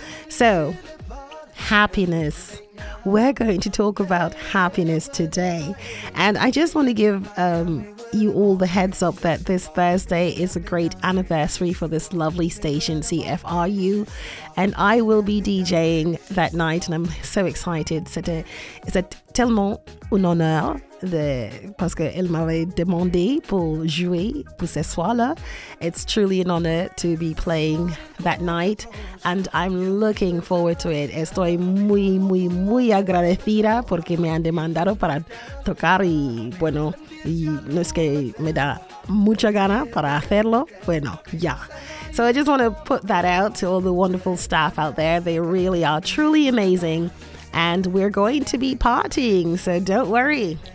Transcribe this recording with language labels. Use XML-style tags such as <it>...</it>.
<en>So, happiness. We're going to talk about happiness today, and I just want to give you all the heads up that this Thursday is a great anniversary for this lovely station, CFRU, and I will be DJing that night, and I'm so excited.</en> <fr>C'est tellement un honneur de parce qu'elle m'avait demandé pour jouer pour ce soir-là.</fr> <en>It's truly an honor to be playing that night, and I'm looking forward to it.</en> <es>Estoy muy, muy, muy agradecida porque me han demandado para tocar y bueno, y no es que me da mucha gana para hacerlo. Bueno, ya. Yeah.</es> <en>So I just want to put that out to all the wonderful staff out there. They really are truly amazing, and we're going to be partying, so don't worry.</en>